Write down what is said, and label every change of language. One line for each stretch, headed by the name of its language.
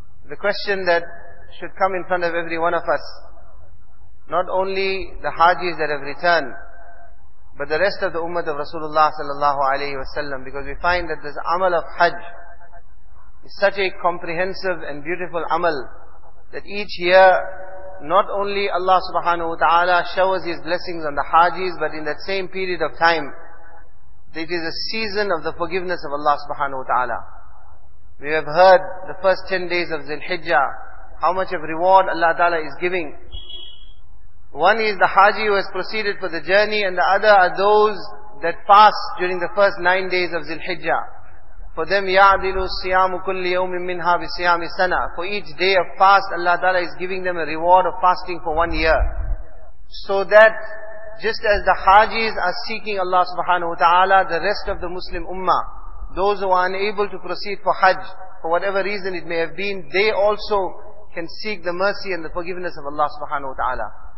English: The question that should come in front of every one of us, not only the hajis that have returned, but the rest of the ummah of Rasulullah sallallahu alayhi wa sallam, because we find that this amal of hajj, it's such a comprehensive and beautiful amal that each year not only Allah subhanahu wa ta'ala showers His blessings on the hajis, but in that same period of time, it is a season of the forgiveness of Allah subhanahu wa ta'ala. We have heard the first 10 days of Zilhijjah, how much of reward Allah ta'ala is giving. One is the haji who has proceeded for the journey, and the other are those that pass during the first 9 days of Zilhijjah. For them,
Arabic: يَعْدِلُ السِّيَامُ كُلِّ يَوْمٍ مِّنْهَا بِسِّيَامِ السَّنَةِ.
English: For each day of fast, Allah Ta'ala is giving them a reward of fasting for 1 year. So that, just as the hajis are seeking Allah subhanahu wa ta'ala, the rest of the Muslim ummah, those who are unable to proceed for hajj, for whatever reason it may have been, they also can seek the mercy and the forgiveness of Allah subhanahu wa ta'ala.